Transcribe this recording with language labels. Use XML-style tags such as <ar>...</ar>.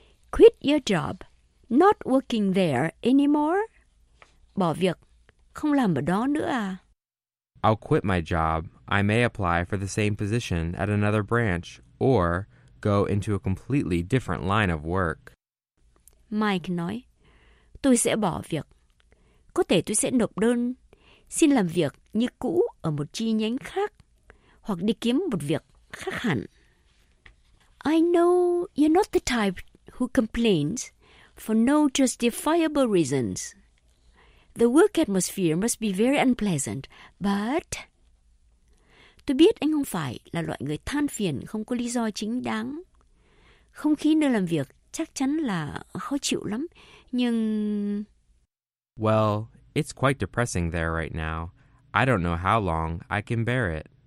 <en>Quit your job, not working there anymore.</en> <vi>Bỏ việc, không làm ở đó nữa à?</vi> <en>I'll quit my job. I may apply for the same position at another branch or go into a completely different line of work.</en> <vi>Mike nói, tôi sẽ bỏ việc. Có thể tôi sẽ nộp đơn, xin làm việc như cũ ở một chi nhánh khác, hoặc đi kiếm một việc khác hẳn.</vi> <en>I know you're not the type who complains, for no justifiable reasons. The work atmosphere must be very unpleasant, but...</en> <vi>Tôi biết anh không phải là loại người than phiền không có lý do chính đáng. Không khí nơi làm việc chắc chắn là khó chịu lắm, nhưng...</vi> <en>Well, it's quite depressing there right now. I don't know how long I can bear it.</en>